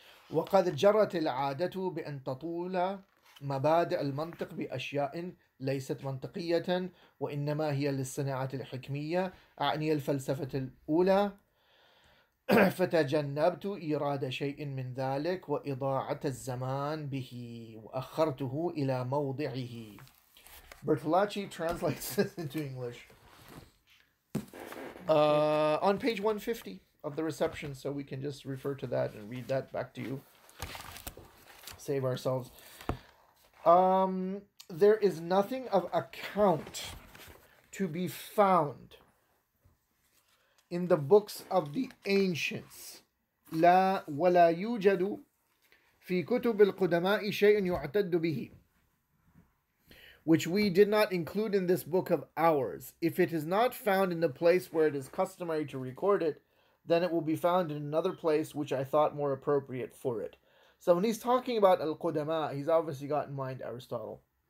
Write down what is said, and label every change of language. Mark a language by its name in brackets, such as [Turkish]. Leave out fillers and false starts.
[Arabic] وقد جرت العادة بأن تطول مبادئ المنطق بأشياء ليست منطقية وإنما هي للصناعة الحكمية أعني الفلسفة الأولى فتجنبت إيراد شيء من ذلك وإضاعة الزمان به وأخرته إلى موضعه. [English] Bertolacci translates this into English. On page 150 of the reception, so we can just refer to that and read that back to you. Save ourselves. There is nothing of account to be found in the books of the ancients. [Arabic] لا ولا يوجد في كتب القدماء شيء يعتد به. [English] Which we did not include in this book of ours. If it is not found in the place where it is customary to record it, then it will be found in another place which I thought more appropriate for it. So when he's talking about al-Qudama, he's obviously got in mind Aristotle.